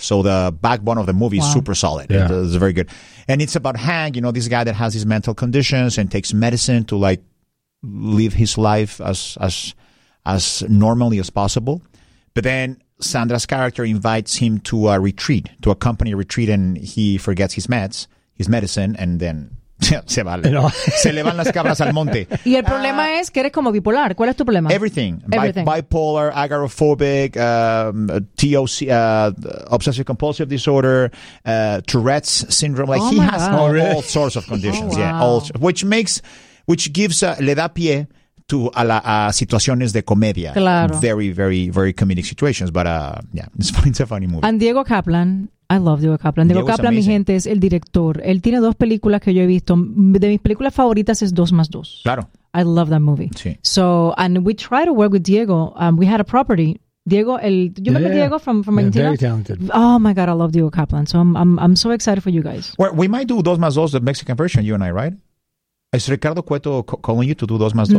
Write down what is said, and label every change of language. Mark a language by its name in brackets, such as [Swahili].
[English] So the backbone of the movie is super solid. Yeah. It's very good. And it's about Hank, you know, this guy that has his mental conditions and takes medicine to like live his life as normally as possible. But then Sandra's character invites him to a retreat, to a company retreat, and he forgets his meds, his medicine, and then [Spanish] se vale. [English] <No. [Spanish] laughs> Se le van las cabras al monte. Y el problema es que eres como bipolar. ¿Cuál es tu problema? [English] Everything. Bipolar, agoraphobic, TOC, obsessive compulsive disorder, Tourette's syndrome. Like, oh, he has God. All sorts of conditions. Oh, wow. Yeah, which gives, [Spanish] le da pie [English] to [Spanish] a situaciones de comedia. Claro. [English] Very, very, very comedic situations. But it's a funny movie. And Diego Kaplan. I love Diego Kaplan. Diego Kaplan, amazing. [Spanish] Mi gente, es el director. Él tiene dos películas que yo he visto. De mis películas favoritas es 2+2. Claro. [English] I love that movie. [Spanish] Sí. [English] So, and we tried to work with Diego. We had a property. Diego, you remember Diego from Argentina? Yeah, very talented. Oh my God, I love Diego Kaplan. So I'm so excited for you guys. Well, we might do 2+2, the Mexican version, you and I, right? Is Ricardo Cueto calling you to do 2+2?